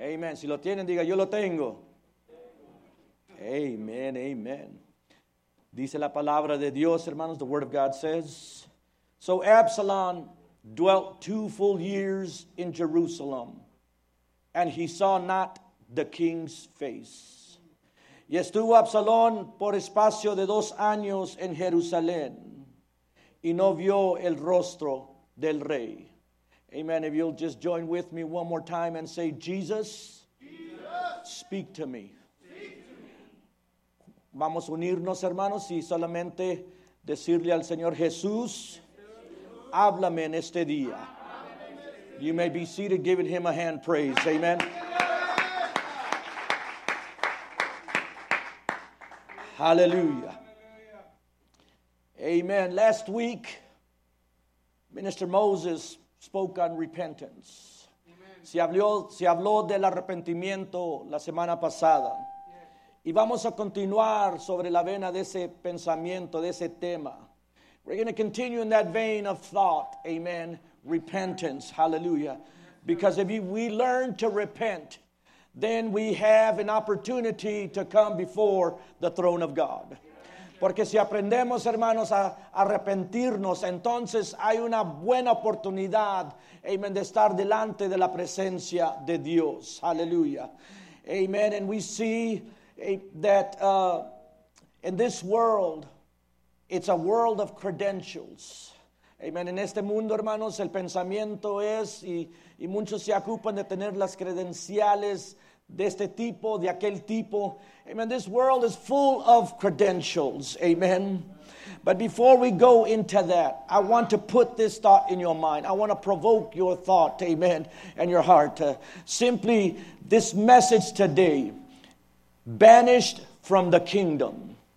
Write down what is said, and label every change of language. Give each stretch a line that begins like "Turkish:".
Spanish: Amen. Si lo tienen, diga, yo lo tengo. Amen, amen. Dice la palabra de Dios, hermanos,
English: the word of God says. So Absalom dwelt 2 full years in Jerusalem, and he saw not the king's face.
Spanish: Y estuvo Absalón por espacio de 2 años en Jerusalén, y no vio el rostro del rey. Amen.
English: If you'll just join with me one more time and say, Jesus, Jesus, speak to me. Speak to me.
Spanish: Vamos a unirnos, hermanos, y solamente decirle al Señor Jesús, háblame en este día.
English: You may be seated, giving him a hand praise. Amen. Hallelujah. Amen. Last week, Minister Moses spoke on repentance.
Spanish: Se habló del arrepentimiento la semana pasada. Y vamos a continuar sobre la vena de ese pensamiento, de ese tema.
English: We're going to continue in that vein of thought. Amen. Repentance, hallelujah. Because if we learn to repent, then we have an opportunity to come before the throne of God.
Spanish: Porque si aprendemos, hermanos, a arrepentirnos, entonces hay una buena oportunidad, amen, de estar delante de la presencia de Dios. Hallelujah. Amen.
English: And we see that in this world, it's a world of credentials. Amen.
Spanish: En este mundo, hermanos, el pensamiento es, y muchos se ocupan de tener las credenciales de este tipo, de aquel tipo.
English: Amen. This world is full of credentials. Amen. But before we go into that, I want to put this thought in your mind. I want to provoke your thought, amen, and your heart. Simply, this message today, banished from the kingdom.